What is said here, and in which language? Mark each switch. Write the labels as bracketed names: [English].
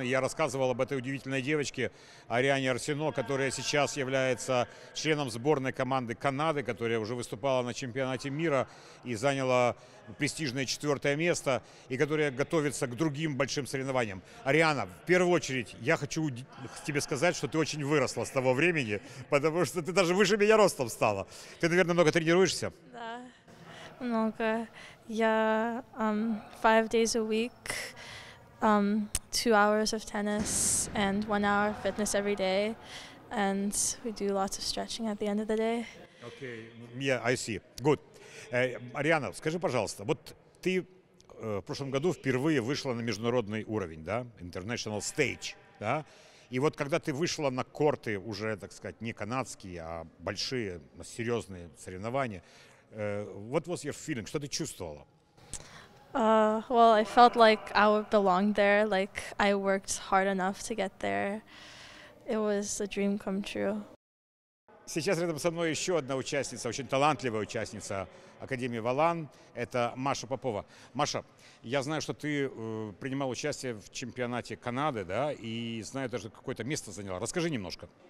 [Russian] Я рассказывал об этой удивительной девочке Ариане Арсено, которая сейчас является членом сборной команды Канады, которая уже выступала на чемпионате мира и заняла престижное 4-е место, и которая готовится к другим большим соревнованиям. Ариана, в первую очередь, я хочу тебе сказать, что ты очень выросла с того времени, потому что ты даже выше меня ростом стала. Ты, наверное, много тренируешься? Да, много. [English] Я 5 days a week, 2 hours of tennis and 1 hour of fitness every day, and we do lots of stretching at the end of the day. Okay, yeah, I see. Good. [Russian] Ариана, скажи, пожалуйста, вот ты в прошлом году впервые вышла на международный уровень, да, [English] international stage, [Russian] да, и вот когда ты вышла на корты уже, так сказать, не канадские, а большие, серьезные соревнования. [English] What was your feeling? [Russian] Что ты чувствовала? [English] Well, I felt like I belonged there. Like I worked hard enough to get there. It was a dream come true. [Russian] Сейчас рядом со мной еще одна участница, очень талантливая участница Академии Валан. Это Маша Попова. Маша, я знаю, что ты принимала участие в чемпионате Канады, да? И знаю, даже какое-то место заняла. Расскажи немножко.